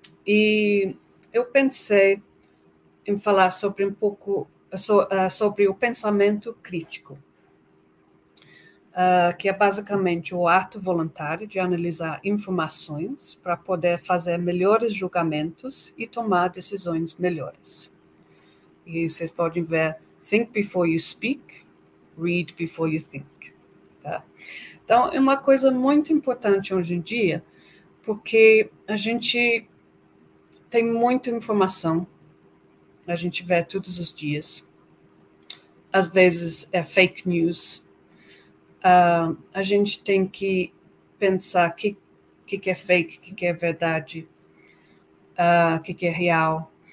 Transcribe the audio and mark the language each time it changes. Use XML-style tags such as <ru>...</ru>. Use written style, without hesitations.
<pt>E eu pensei em falar sobre um pouco sobre o pensamento crítico, que é basicamente o ato voluntário de analisar informações para poder fazer melhores julgamentos e tomar decisões melhores. E vocês podem ver:</pt> <en>think before you speak, read before you think.</en> <pt>Tá? Então, é uma coisa muito importante hoje em dia, porque a gente tem muita informação, a gente vê todos os dias. Às vezes é fake news. A gente tem que pensar o que é fake, o que é verdade, o que é real.</pt>